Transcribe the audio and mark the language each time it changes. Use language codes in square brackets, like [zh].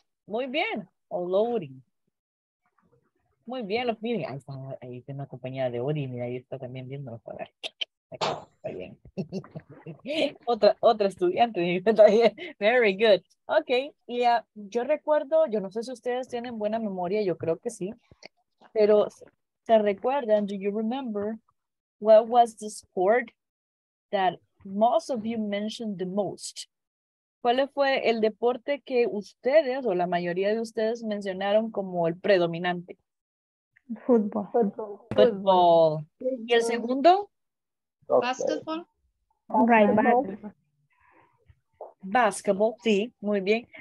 [es] Muy bien. Loading. Muy bien. Miren, ahí está una compañía de Ori. Mira, ahí está también viéndonos para aquí. Está bien. Otra estudiante. [en] Very good. Ok. [es] Yo recuerdo, yo no sé si ustedes tienen buena memoria, yo creo que sí. Pero se recuerdan, [en] do you remember what was the sport that most of you mentioned the most? [es] ¿Cuál fue el deporte que ustedes o la mayoría de ustedes mencionaron como el predominante? Fútbol. Fútbol. ¿Y el segundo? [en] Basketball. Right, basketball. Basketball, [es] sí, muy bien.